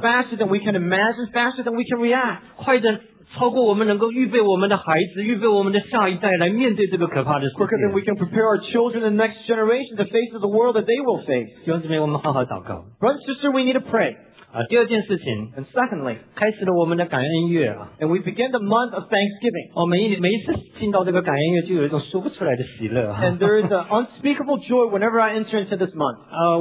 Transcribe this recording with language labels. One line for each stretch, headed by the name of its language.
English: Faster than we can imagine, faster than we can react.
Chinese: 快得 超过我们能够预备我们的孩子，预备我们的下一代来面对这个可怕的事情。
English: Quicker than we can prepare our children and the next generation to face the world that they will face.
Chinese: 弟兄姊妹，我们好好祷告。
English: Brother, sister, we need to pray.
Chinese: 第二件事情,
English: and secondly,
Chinese: 开始了我们的感恩月,
English: and we begin the month of Thanksgiving.
Chinese: 每一次听到这个感恩月就有一种说不出来的喜乐,
English: and there is an unspeakable joy whenever I enter into this month.